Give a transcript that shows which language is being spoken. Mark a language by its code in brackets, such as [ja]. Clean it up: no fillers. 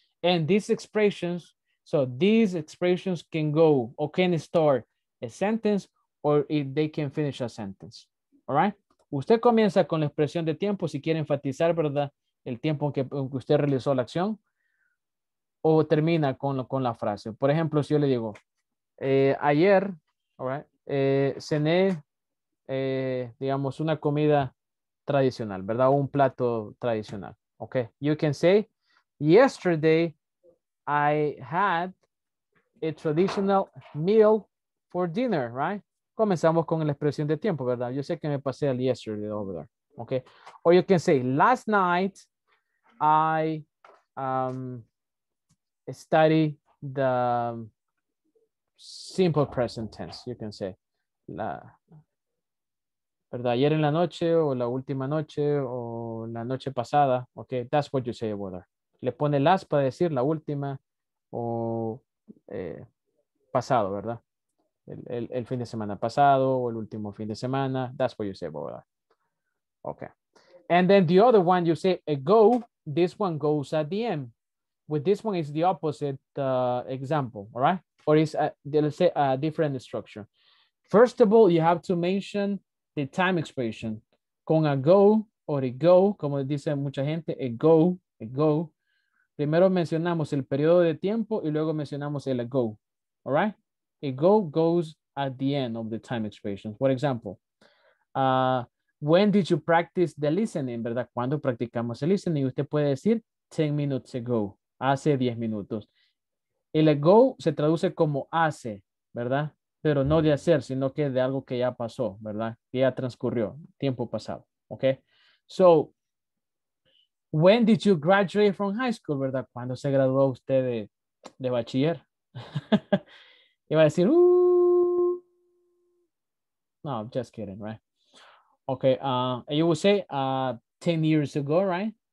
[en] And these expressions, so these expressions can go or can start a sentence or if they can finish a sentence, all right? [es] Usted comienza con la expresión de tiempo si quiere enfatizar, ¿verdad? El tiempo que usted realizó la acción o termina con la frase. Por ejemplo, si yo le digo, ayer, all right, cené, digamos, una comida tradicional, ¿verdad? O un plato tradicional, [en] okay? You can say, yesterday I had a traditional meal for dinner, right? [es] Comenzamos con la expresión de tiempo, ¿verdad? Yo sé que me pasé al yesterday over there, okay? [en] Or you can say, last night I studied the simple present tense, you can say. [es] ¿Verdad? Ayer en la noche, o la última noche, o la noche pasada, okay? [en] That's what you say over there. [es] Le pone last para decir la última, o pasado, ¿verdad? El fin de semana pasado o el último fin de semana. [en] That's what you say about that. Okay. And then the other one you say ago, this one goes at the end. With this one is the opposite example, all right? Or is let's say a different structure. First of all, you have to mention the time expression. [es] Con ago or ago, como dice mucha gente, ago, ago. Primero mencionamos el periodo de tiempo y luego mencionamos el ago, all right? [en] Ago goes at the end of the time expression. For example, when did you practice the listening? [es] ¿Verdad? ¿Cuándo practicamos el listening? Usted puede decir 10 minutes ago, hace 10 minutos. El ago se traduce como hace, ¿verdad? Pero no de hacer, sino que de algo que ya pasó, ¿verdad? Que ya transcurrió, tiempo pasado. ¿Ok? [en] So, when did you graduate from high school? ¿Verdad? [es] ¿Cuándo se graduó usted de bachiller? Y va a decir, no, [en] just kidding, [es] right? [en] Okay, and you will say 10 years ago, right?